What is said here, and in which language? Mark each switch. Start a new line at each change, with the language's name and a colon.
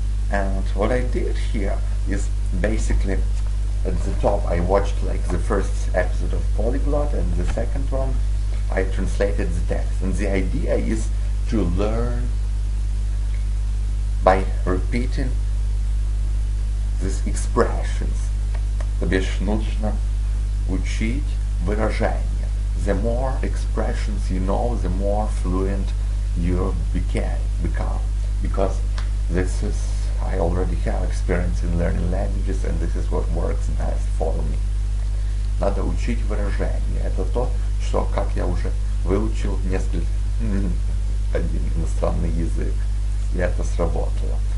English: And what I did here is basically at the top I watched like the first episode of Polyglot and the second one I translated the text. And the idea is to learn by repeating these expressions.
Russian: То бишь нужно учить выражения.
English: The more expressions you know, the more fluent you become. Because this is, I already have experience in learning languages, and this is what works best for me.
Russian: Надо учить выражения. Это то, что, как я уже выучил несколько один иностранный язык, и это сработало.